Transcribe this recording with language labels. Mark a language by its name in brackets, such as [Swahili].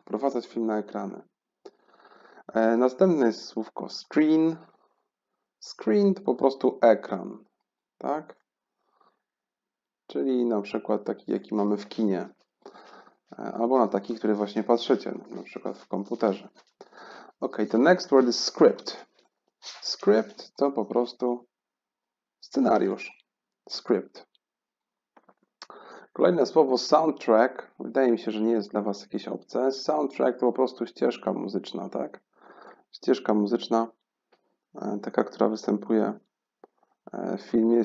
[Polish] Wprowadzać film na ekrany. Następne jest słówko screen. Screen to po prostu ekran. Tak? Czyli na przykład taki, jaki mamy w kinie. Albo na taki, który właśnie patrzycie, na przykład w komputerze. [English] OK, the next word is script. [Polish] Script to po prostu scenariusz. Script. Kolejne słowo soundtrack. Wydaje mi się, że nie jest dla Was jakieś obce. Soundtrack to po prostu ścieżka muzyczna, tak? Ścieżka muzyczna, taka, która występuje w filmie.